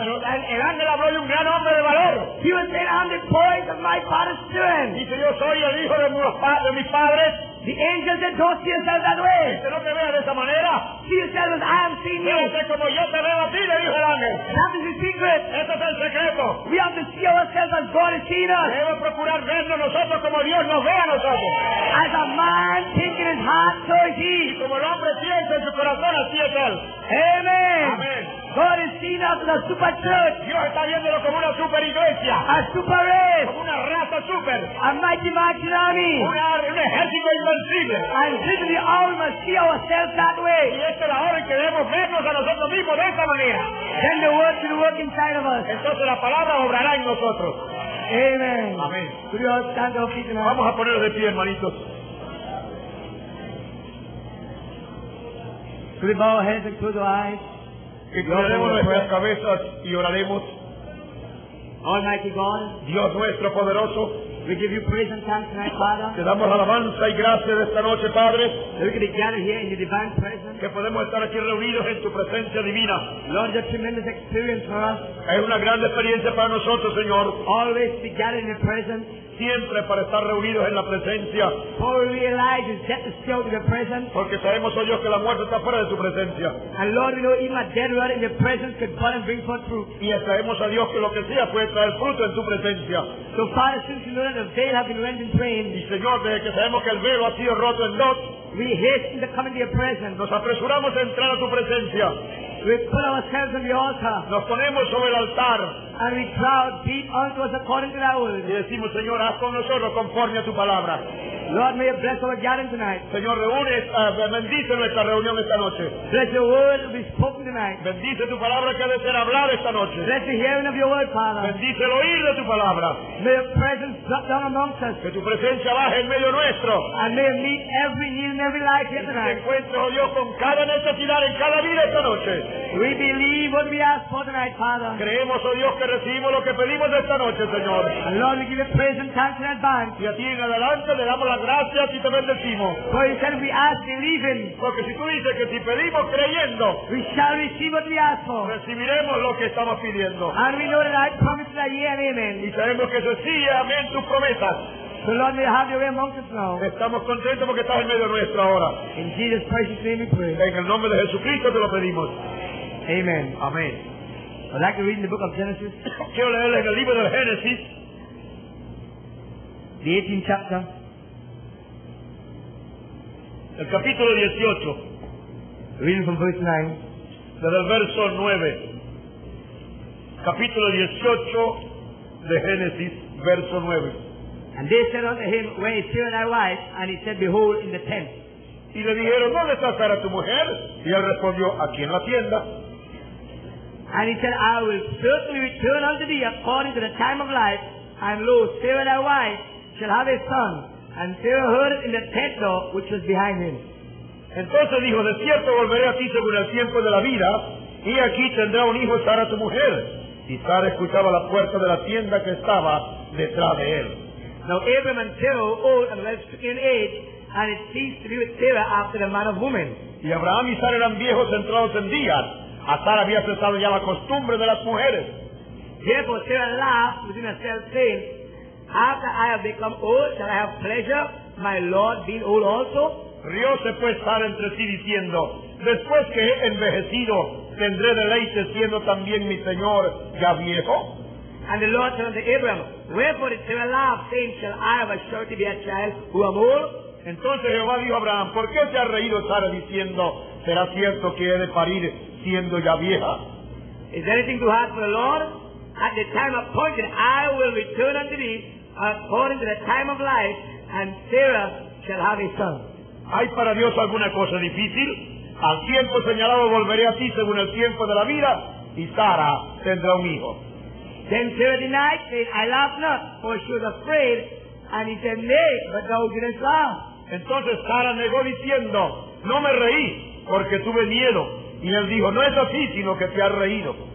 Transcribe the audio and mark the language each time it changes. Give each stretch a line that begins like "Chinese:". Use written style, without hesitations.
Spanish: Pero el ángel habló de un gran hombre de valor.
English: He was saying, I'm the voice of my father's children.
Spanish: Dice, yo soy el hijo de mis padres.
English: The angel said, don't see yourself that way.
Spanish: Dice, no te veas de esa manera.
English: See yourself as I am seeing you.
Spanish: Fíjate como yo te veo a ti, le dijo el ángel.
English: That is the secret.
Spanish: Este es el secreto.
English: We have to see ourselves as God has seen us.
Spanish: Debemos procurar vernos nosotros como Dios nos ve a nosotros.
English: As a man thinking his heart, so is he.
Spanish: Y como el hombre piensa en su corazón, así es él.
English: Amen.
Spanish: Amen.
English: God has seen us as a super church.
Spanish: Dios está viéndolo como una super iglesia.
English: A super race.
Spanish: Como una raza super.
English: A mighty, mighty army.
Spanish: Un ejército.
English: And this is the hour we must see ourselves that way.
Spanish: Y esta es la hora en que debemos vernos a nosotros mismos de esta manera.
English: Then the word will work inside of us.
Spanish: Entonces la palabra obrará en nosotros.
English: Amen.
Spanish: Amén. Vamos a ponernos de pie, hermanitos.
English: Could we bow our heads and close our eyes?
Spanish: Inclinaremos nuestras cabezas y oraremos.
English: Almighty God.
Spanish: Dios nuestro poderoso.
English: We give you praise and thanks tonight, Father.
Spanish: Te damos alabanza y gracias esta noche, Padre.
English: That we can gather here in your divine presence.
Spanish: Que podemos estar aquí reunidos en tu presencia divina.
English: Lord, a tremendous experience for us.
Spanish: Es una gran experiencia para nosotros, Señor.
English: Always be gathered in your presence.
Spanish: Siempre para estar reunidos en la presencia.
English: For we realize that death is still in your presence.
Spanish: Porque sabemos, oh Dios, que la muerte está fuera de su presencia.
English: And Lord, we know even a dead word in your presence could burn and bring forth fruit.
Spanish: Y sabemos, oh Dios, que lo que sea puede traer fruto en su presencia.
English: So Father, since you know that the veil has been rent in twain.
Spanish: Y Señor, desde que sabemos que el velo ha sido roto en dos.
English: We hasten to come into your presence.
Spanish: Nos apresuramos a entrar a tu presencia.
English: We put ourselves on the altar.
Spanish: Nos ponemos sobre el altar.
English: And we cry deep unto us according to thy word.
Spanish: Y decimos, Señor, haz con nosotros conforme a tu palabra.
English: Lord, may you bless our gathering tonight.
Spanish: Señor, reúne, bendice nuestra reunión esta noche.
English: Bless your word to be spoken tonight.
Spanish: Bendice tu palabra que ha de ser hablada esta noche.
English: Bless the hearing of your word, Father.
Spanish: Bendice el oír de tu palabra.
English: May your presence drop down amongst us.
Spanish: Que tu presencia baje en medio nuestro.
English: And may it meet every need and every life here tonight.
Spanish: Y encuentre, oh Dios, con cada necesidad en cada vida esta noche.
English: We believe what we ask for tonight, Father.
Spanish: Creemos, oh Dios, que recibimos lo que pedimos esta noche, Señor.
English: And Lord, we give you praise and thanks in advance.
Spanish: Y a ti en adelante le damos la gracias y te bendecimos.
English: For you said we ask believing.
Spanish: Porque si tú dices que si pedimos creyendo,
English: we shall receive what we ask for.
Spanish: Recibiremos lo que estamos pidiendo.
English: And we know that I promise that yea and amen.
Spanish: Y sabemos que eso sí, amén, tus promesas.
English: So Lord, may you have your way amongst us now.
Spanish: Estamos contentos porque estás en medio nuestro ahora.
English: In Jesus' precious name we pray.
Spanish: En el nombre de Jesucristo te lo pedimos.
English: Amen.
Spanish: Amén.
English: I'd like to read in the book of Genesis.
Spanish: Quiero leer en el libro de Génesis.
English: The 18th chapter.
Spanish: El capítulo 18.
English: Reading from verse 9.
Spanish: Desde el verso 9. Capítulo 18 de Génesis, verso 9.
English: And they said unto him, where is Sarah thy wife? And he said, behold, in the tent.
Spanish: Y le dijeron, ¿dónde está Sara tu mujer? Y él respondió, aquí en la tienda.
English: And he said, I will certainly return unto thee according to the time of life. And lo, Sarah thy wife shall have a son. And Sarah heard it in the tent door which was behind him.
Spanish: Entonces dijo, de cierto volveré a ti según el tiempo de la vida, y aquí tendrá un hijo Sara tu mujer. Y Sara escuchaba la puerta de la tienda que estaba detrás de él.
English: Now Abram and Sarah were old and well stricken in age, and it ceased to be with Sarah after the manner of women.
Spanish: Y Abraham y Sara eran viejos entrados en días. A Sara había cesado ya la costumbre de las mujeres.
English: Therefore Sarah laughed within herself, saying, after I have become old, shall I have pleasure, my Lord being old also?
Spanish: Rióse pues Sara entre sí diciendo, después que he envejecido, tendré deleite siendo también mi Señor ya viejo.
English: And the Lord said unto Abraham, wherefore did Sarah laugh, saying, shall I have a surety be a child who am old?
Spanish: Entonces Jehová dijo a Abraham, ¿por qué se ha reído Sara diciendo, será cierto que he de parir siendo ya vieja?
English: Is there anything too hard for the Lord? At the time appointed, I will return unto thee according to the time of life, and Sarah shall have a son.
Spanish: ¿Hay para Dios alguna cosa difícil? Al tiempo señalado volveré a ti según el tiempo de la vida, y Sara tendrá un hijo.
English: Then Sarah denied, saying, I laugh not, for she was afraid, and he said, nay, but thou didst laugh.
Spanish: Entonces Sara negó diciendo, no me reí, porque tuve miedo. Y él dijo, no es así, sino que te has reído.